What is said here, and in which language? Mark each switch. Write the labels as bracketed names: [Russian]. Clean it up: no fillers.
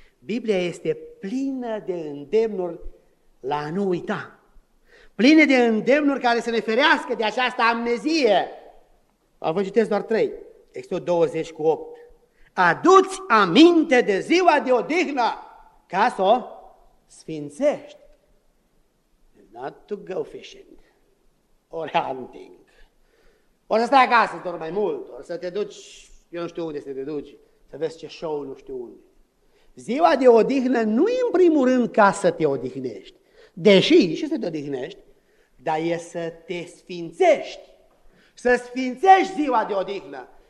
[Romanian] Biblia este plină de îndemnuri la a nu uita. Plină de îndemnuri care să ne ferească de această amnezie. Vă citesc doar 3. Exod 20:8. Adu-ți aminte de ziua de odihnă ca să o sfințești. [English] Not to go fishing or hunting. [Romanian] O să stai acasă doar mai mult, o să te duci, eu nu știu unde să te duci, să vezi ce show nu știu unde. Ziua de odihnă nu e în primul rând ca să te odihnești, deși și să te odihnești, dar e să te sfințești, să sfințești ziua de odihnă.